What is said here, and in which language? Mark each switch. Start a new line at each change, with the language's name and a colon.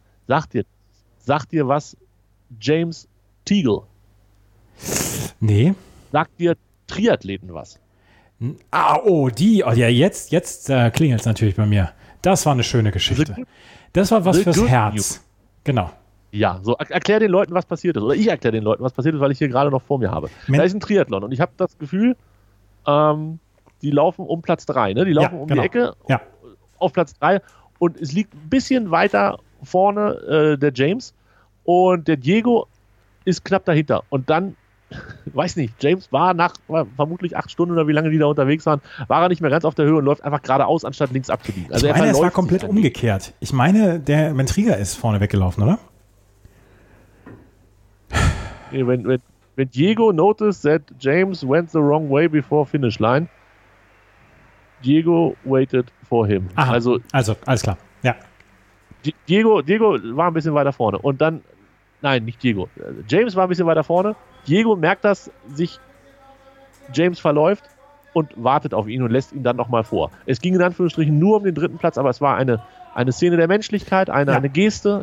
German: Sagt dir was James Teagle? Nee. Sagt dir Triathleten was? Ah, oh, die, oh, ja, jetzt klingelt es natürlich bei mir. Das war eine schöne Geschichte. Das war was fürs Herz. Genau. Ja, so erklär den Leuten, was passiert ist. Oder ich erkläre den Leuten, was passiert ist, weil ich hier gerade noch vor mir habe. Da ist ein Triathlon und ich habe das Gefühl, die laufen um Platz 3, ne? Die laufen ja, um genau. Die Ecke ja. Auf Platz 3 und es liegt ein bisschen weiter vorne der James und der Diego ist knapp dahinter und dann weiß nicht, James war nach vermutlich 8 Stunden oder wie lange die da unterwegs waren, war er nicht mehr ganz auf der Höhe und läuft einfach geradeaus, anstatt links abzubiegen. Also ich meine, es war komplett umgekehrt. Ich meine, der Mentriga ist vorne weggelaufen, oder?
English: Wenn Diego noticed that James went the wrong way before finish line, Diego waited for him.
German: Aha, also, alles klar, ja. Diego war ein bisschen weiter vorne und dann, nein, nicht Diego, James war ein bisschen weiter vorne. Diego merkt, dass sich James verläuft und wartet auf ihn und lässt ihn dann nochmal vor. Es ging in Anführungsstrichen nur um den dritten Platz, aber es war eine Szene der Menschlichkeit, eine Geste.